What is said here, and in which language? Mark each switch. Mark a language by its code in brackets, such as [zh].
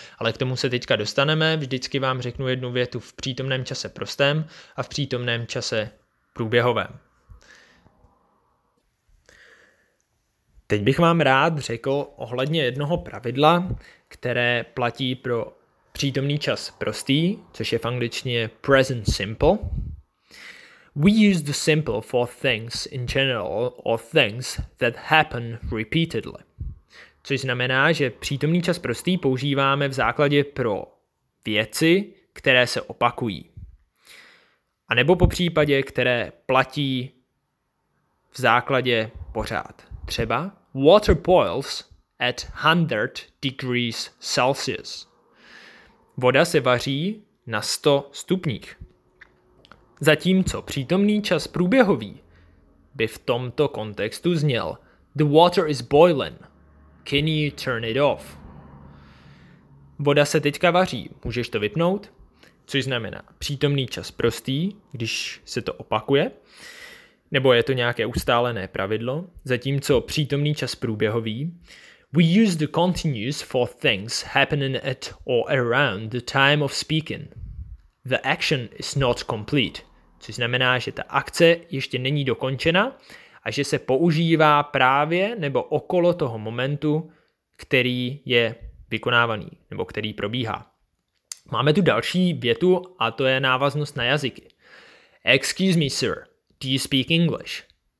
[cs] Ale k tomu se teďka dostaneme, vždycky vám řeknu jednu větu v přítomném čase prostém a v přítomném čase průběhovém. Teď bych vám rád řekl ohledně jednoho pravidla, které platí pro přítomný čas prostý, což je v angličtině present simple. [en] We use the simple for things in general or things that happen repeatedly. [cs] Což znamená, že přítomný čas prostý používáme v základě pro věci, které se opakují. A nebo po případě, které platí v základě pořád. Třeba [en] water boils at 100 degrees Celsius. [cs] Voda se vaří na 100 stupních. Zatímco přítomný čas průběhový by v tomto kontextu zněl [en] the water is boiling, can you turn it off? [cs] Voda se teďka vaří, můžeš to vypnout? Což znamená přítomný čas prostý, když se to opakuje, nebo je to nějaké ustálené pravidlo, zatímco přítomný čas průběhový. [en] We use the continuous for things happening at or around the time of speaking. The action is not complete. [cs] Což znamená, že ta akce ještě není dokončena a že se používá právě nebo okolo toho momentu, který je vykonávaný nebo který probíhá. Máme tu další větu a to je návaznost na jazyky. [en] Excuse me, sir, do you speak English?